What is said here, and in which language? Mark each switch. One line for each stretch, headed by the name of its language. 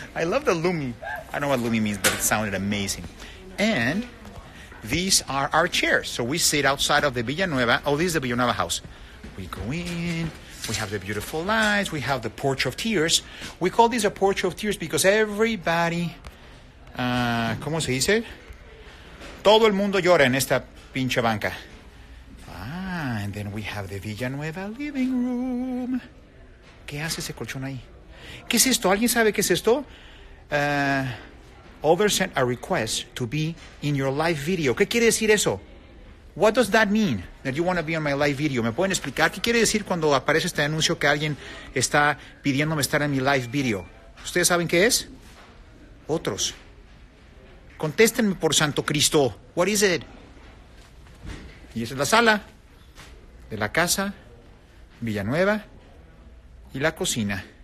English: I love the Lumi. I don't know what Lumi means, but it sounded amazing. And... these are our chairs. So we sit outside of the Villanueva. Oh, this is the Villanueva house. We go in. We have the beautiful lights. We have the Porch of Tears. We call this a Porch of Tears because everybody...
Spanish: ¿cómo se dice? Todo el mundo llora en esta pinche banca.
English: Ah, and then we have the Villanueva living room.
Spanish: ¿Qué hace ese colchón ahí? ¿Qué es esto? ¿Alguien sabe qué es esto?
English: Others sent a request to be in your live video.
Spanish: ¿Qué quiere decir eso?
English: What does that mean? That you want to be on my live video.
Spanish: ¿Me pueden explicar qué quiere decir cuando aparece este anuncio que alguien está pidiéndome estar en mi live video? ¿Ustedes saben qué es? Otros. Contéstenme por Santo Cristo.
English: What is it?
Spanish: Y esa es la sala de la casa, Villanueva y la cocina.